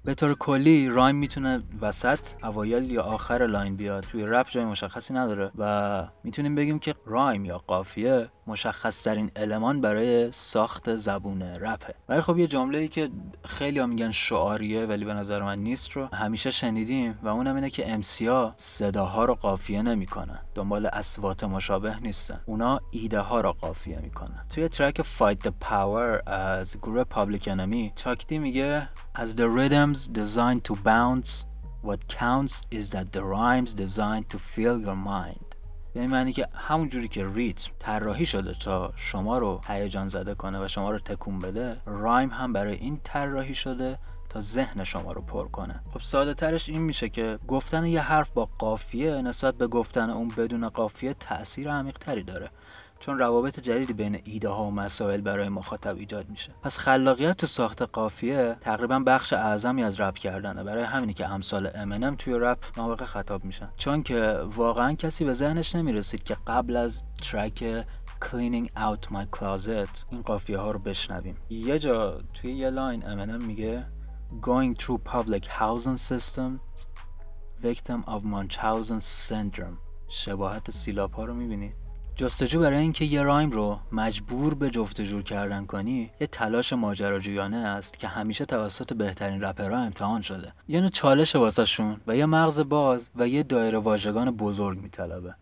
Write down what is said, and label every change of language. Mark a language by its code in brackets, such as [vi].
[fa] به طور کلی رایم میتونه وسط، اوایل یا آخر لاین بیاد، توی رپ جای مشخصی نداره و میتونیم بگیم که رایم یا قافیه مشخص ترین المان برای ساخت زبون رپه. ولی خب یه جمله‌ای که خیلی ها میگن شعاریه ولی به نظر من نیست رو همیشه شنیدیم، و اونم اینه که MC ها صداها رو قافیه نمی کنن، دنبال اصوات مشابه نیستن، اونا ایده ها رو قافیه می کنن. توی ترک Fight the Power از گروه Public Enemy چاکتی میگه [en] As the rhythms designed to bounce, what counts is that the rhymes designed to fill your mind. [fa] به این معنی که همون جوری که ریتم طراحی شده تا شما رو هیجان زده کنه و شما رو تکون بده، رایم هم برای این طراحی شده تا ذهن شما رو پر کنه. خب ساده ترش این میشه که گفتن یه حرف با قافیه نسبت به گفتن اون بدون قافیه تأثیر عمیق تری داره، چون روابط جدیدی بین ایده ها و مسائل برای مخاطب ایجاد میشه. پس خلاقیت تو ساخت قافیه تقریبا بخش اعظمی از رپ کردنه. برای همینی که امثال امنم توی رپ موقع خطاب میشن، چون که واقعا کسی به ذهنش نمیرسید که قبل از ترک Cleaning Out My Closet این قافیه ها رو بشنویم. یه جا توی یه لاین امنم میگه [en] Going through public housing system victim of Munchausen syndrome. [fa] شباهت سیلاب ها رو میبینید؟ جستجو برای اینکه یه رایم رو مجبور به جفت‌وجور کردن کنی یه تلاش ماجراجویانه است که همیشه توسط بهترین رپرها امتحان شده. یعنی چالش واسه شون و یه مغز باز و یه دایره واژگان بزرگ میطلبه.